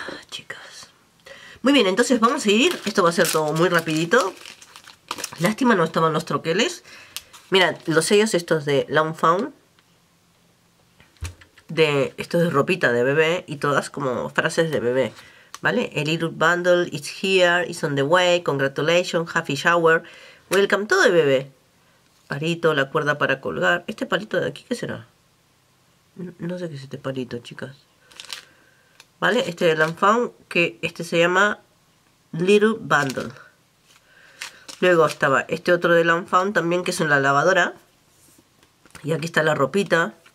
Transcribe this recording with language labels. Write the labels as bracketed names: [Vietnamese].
[Spanish] Chicas, muy bien, entonces vamos a ir. Esto va a ser todo muy rapidito. Lástima no estaban los troqueles. Mirad, los sellos estos de Long Found, de estos de ropita de bebé, y todas como frases de bebé, ¿vale? [English] A little bundle, it's here, it's on the way, congratulations, happy shower, welcome, [Spanish] todo de bebé. Palito, la cuerda para colgar. ¿Este palito de aquí qué será? No sé qué es este palito, chicas. ¿Vale? Este de Long Found, que este se llama Little Bundle. Luego estaba este otro de Long Found también, que es una lavadora. Y aquí está la ropita.